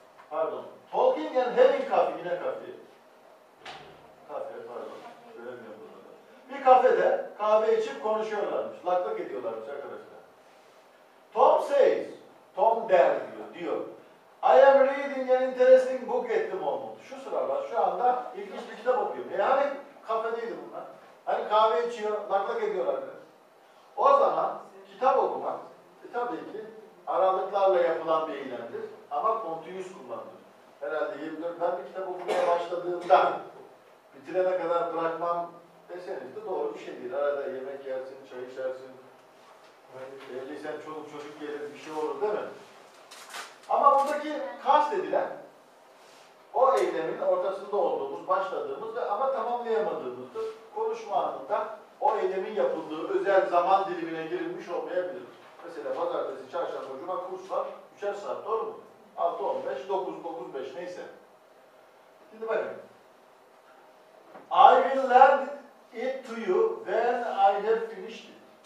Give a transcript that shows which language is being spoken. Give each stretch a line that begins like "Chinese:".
Turkish: Pardon.
English: Talking and having coffee.
Turkish: Yine kafe. Kafe pardon. Söylemiyorum bunu. Bir kafede kahve içip konuşuyorlarmış. Laklak ediyorlarmış arkadaşlar.
English: Tom says.
Turkish: Tom der diyor. Diyor.
English: I am reading an interesting book at the moment.
Turkish: Şu sıralar, şu anda ilginç bir kitap okuyorum. Yani kafedeydi bunlar. Hani kahve içiyor, laklak ediyorlar. O zaman kitap okumak, tabii ki aralıklarla yapılan bir eylemdir. Ama continuous kullanılır. Herhalde 24, ben bir kitap okumaya başladığımda bitirene kadar bırakmam deseniz de doğru bir şey değil. Arada yemek yersin, çay içersin. Evliysen çoluk çocuk gelir, bir şey olur değil mi? Ama buradaki kast edilen o eylemin ortasında olduğumuz, başladığımız ve ama tamamlayamadığımızdır. Konuşma anında o eylemin yapıldığı özel zaman dilimine girilmiş olmayabilir. Mesela pazartesi, çarşamba, cuma kurs var. 3'er saat doğru mu? 6-15, 9-9-5 Şimdi bakın.
English: I will lend it to you when I have finished it.